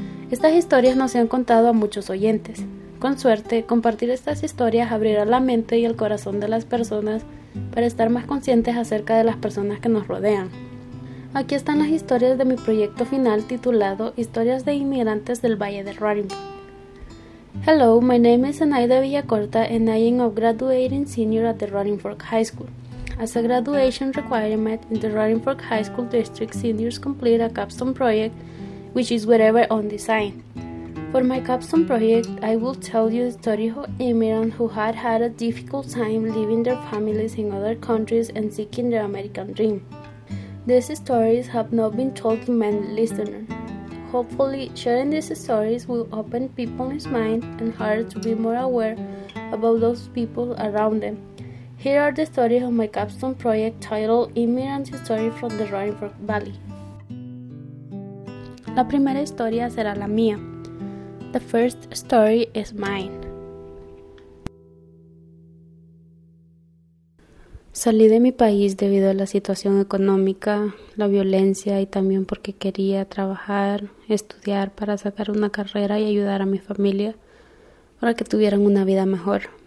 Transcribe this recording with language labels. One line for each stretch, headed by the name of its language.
Spanish: Estas historias no se han contado a muchos oyentes. Con suerte, compartir estas historias abrirá la mente y el corazón de las personas para estar más conscientes acerca de las personas que nos rodean. Aquí están las historias de mi proyecto final titulado Historias de Inmigrantes del Valle del Running Fork.
English: Hello, my name is Zenaida Villacorta and I am a graduating senior at the Running Fork High School. As a graduation requirement, the Running Fork High School District seniors complete a capstone project, which is whatever on design. For my capstone project, I will tell you the story of immigrants who had a difficult time leaving their families in other countries and seeking their American dream. These stories have not been told to many listeners. Hopefully, sharing these stories will open people's minds and hearts to be more aware about those people around them. Here are the stories of my capstone project titled Immigrant Story from the Running Fork Valley.
Spanish: La primera historia será la mía.
English: The first story is mine.
Spanish: Salí de mi país debido a la situación económica, la violencia y también porque quería trabajar, estudiar para sacar una carrera y ayudar a mi familia para que tuvieran una vida mejor.